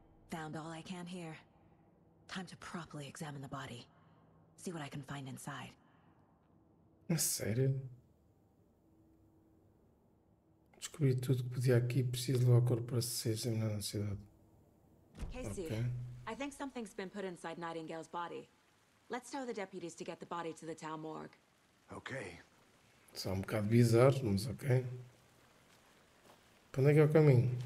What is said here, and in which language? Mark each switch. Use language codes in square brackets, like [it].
[en] Found all I can here. Time to properly examine the body. See what I can find inside. [pt] É sério? Descobri tudo que podia aqui. Preciso levar o corpo para ser examinado na cidade. [en] Casey, okay. I think something's been put inside Nightingale's body. Let's tell the deputies to get the body to the town morgue. Okay. [pt] Só um bocado bizarro, mas ok. Para onde é que é o caminho?